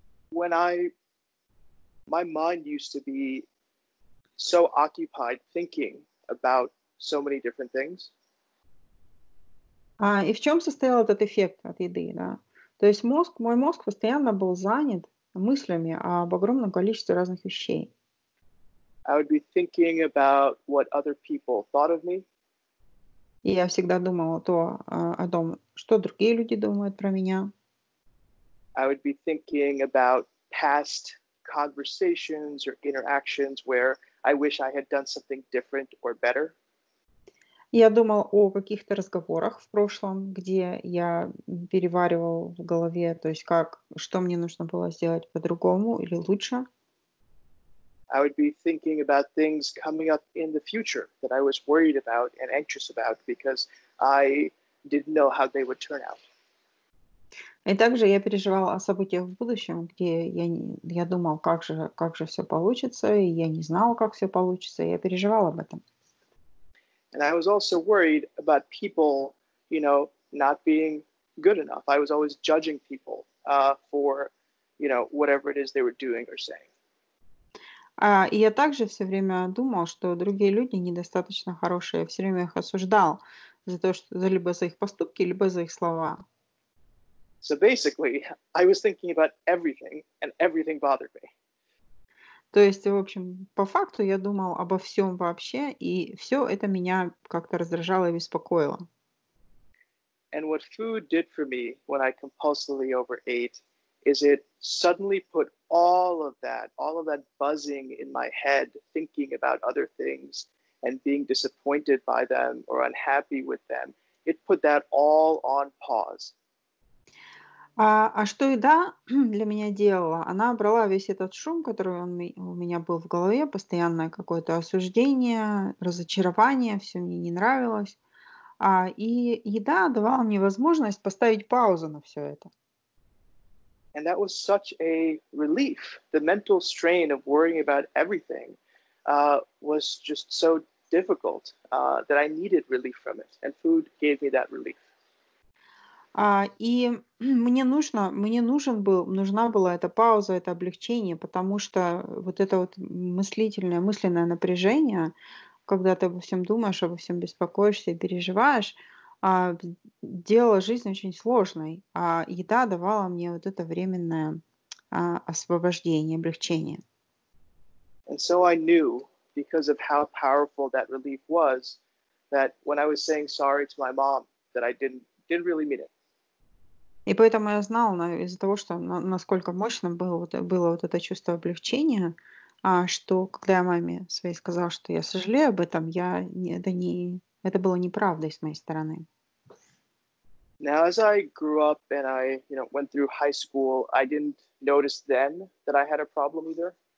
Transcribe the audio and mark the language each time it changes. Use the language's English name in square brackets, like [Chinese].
[English] When my mind used to be so occupied thinking about so many different things. [Russian] И в чем состоял этот эффект от еды, да? То есть мой мозг постоянно был занят мыслями об огромном количестве разных вещей. [English] I would be thinking about what other people thought of me. [Russian] И я всегда думал о том, что другие люди думают про меня. [English] I would be thinking about past conversations or interactions where I wish I had done something different or better. [Russian] Я думал о каких-то разговорах в прошлом, где я переваривал в голове, то есть как, что мне нужно было сделать по-другому или лучше. [English] I would be thinking about things coming up in the future that I was worried about and anxious about because I didn't know how they would turn out. [Russian] И также я переживал о событиях в будущем, где я думал, как же все получится, и я не знал, как все получится, и я переживал об этом. [English] And I was also worried about people, you know, not being good enough. I was always judging people for, you know, whatever it is they were doing or saying. [Russian] И я также все время думал, что другие люди недостаточно хорошие, все время их осуждал за то, что либо за их поступки, либо за их слова. [English] So basically, I was thinking about everything, and everything bothered me. [Russian] То есть, в общем, по факту я думал обо всем вообще, и все это меня как-то раздражало и беспокоило. [English] And what food did for me when I compulsively overate is it suddenly put all of that buzzing in my head, thinking about other things and being disappointed by them or unhappy with them. It put that all on pause. [Russian] А что еда для меня делала? Она брала весь этот шум, который у меня был в голове, постоянное какое-то осуждение, разочарование, все мне не нравилось. И еда давала мне возможность поставить паузу на все это. [English] And that was such a relief. The mental strain of worrying about everything was just so difficult that I needed relief from it. And food gave me that relief. [Russian] И мне нужна была эта пауза, это облегчение, потому что вот это вот мысленное напряжение, когда ты обо всем думаешь, обо всем беспокоишься и переживаешь, делала жизнь очень сложной, а еда давала мне вот это временное освобождение, облегчение. [English] And so I knew, because of how powerful that relief was, that when I was saying sorry to my mom, that I didn't really mean it. [Russian] И поэтому я знал, из-за того, что насколько мощным было вот это чувство облегчения, что когда я маме своей сказал, что я сожалею об этом, это было неправдой с моей стороны. [English] Now, as I grew up and I, you know, went through high school, I didn't notice then that I had a problem either.